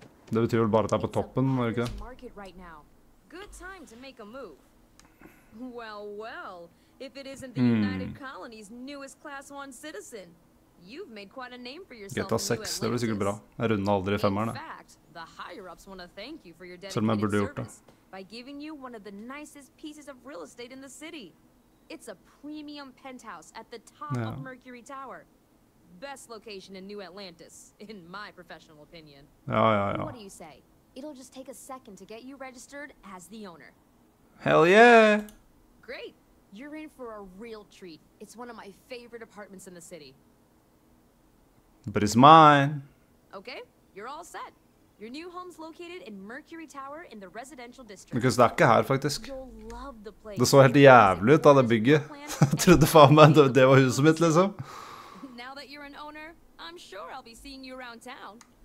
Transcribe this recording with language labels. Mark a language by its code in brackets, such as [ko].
[no] Det betyr vel bare at det på toppen, er det ikke det? [en] Good time to make a move. Well, well, if it isn't the United Colony's newest class 1 citizen, you've made quite a name for yourself. [no] GTA 6, det blir sikkert bra. Jeg runder aldri femmeren, jeg. Selv om jeg burde gjort det. [en] By giving you one of the nicest pieces of real estate in the city. It's a premium penthouse at the top of Mercury Tower. Best location in New Atlantis, in my professional opinion. [no] Ja, ja, ja. [en] What do you say? It'll just take a second to get you registered as the owner. Hell yeah! Great! You're in for a real treat. It's one of my favorite apartments in the city. But it's mine! Okay, you're all set. Your new home's located in Mercury Tower in the residential district. [no] Because det ikke her, faktisk. Det så helt jævlig ut av det bygget. Jeg trodde faen meg det var huset mitt, liksom. [en] Now that you're an owner, I'm sure I'll be seeing you around town.